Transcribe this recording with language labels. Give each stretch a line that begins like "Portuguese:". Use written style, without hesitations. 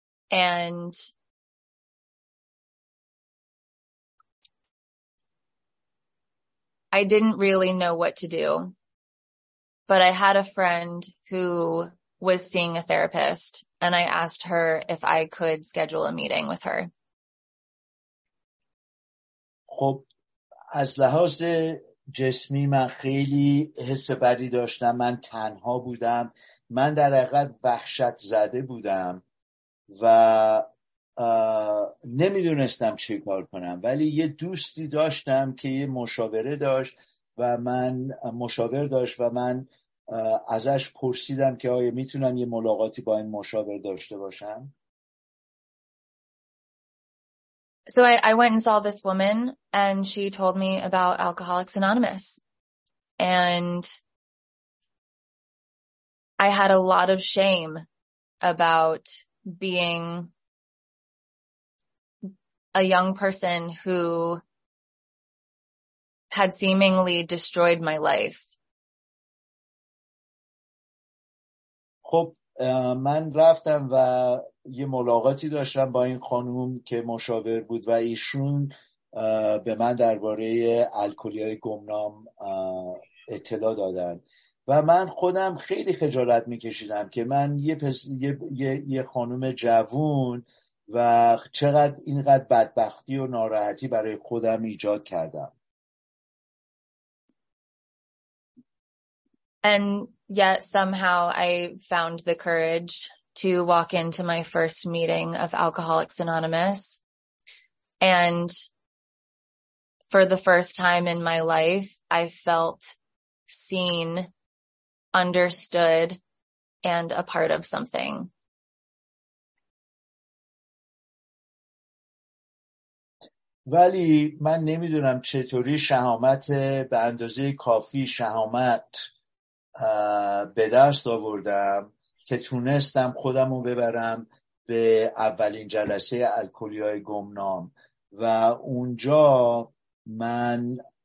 English: And I didn't really know what to do. But I had a friend who was seeing a therapist, and I asked her if I could schedule a meeting with her.
Persian: خب از لحاظ جسمی من خیلی حس بدی داشتم. من تنها بودم. من در حقیقت وحشت زده بودم و نمیدونستم چه کار کنم. ولی یه دوستی داشتم که یه مشاوره داشت و من مشاور داشت و من ازش پرسیدم که آیا میتونم یه ملاقاتی با این مشاور داشته باشم.
English: So I went and saw this woman, and she told me about Alcoholics Anonymous. And I had a lot of shame about being a young person who had seemingly destroyed my life.
Persian: خب من رفتم و یه ملاقاتی داشتم با این خانوم که مشاور بود و ایشون به من درباره الکلی‌های گمنام اطلاع دادن و من خودم خیلی خجالت میکشیدم که من یه خانوم جوون و چقدر اینقدر بدبختی و ناراحتی برای خودم ایجاد کردم.
English: And yet somehow I found the courage to walk into my first meeting of Alcoholics Anonymous. And for the first time in my life, I felt seen, understood, and a part of something.
Persian: ولی من نمیدونم چطوری شهامت به اندازه کافی شهامت به دست آوردم که تونستم خودم رو ببرم به اولین جلسه الکلی‌های گمنام و اونجا من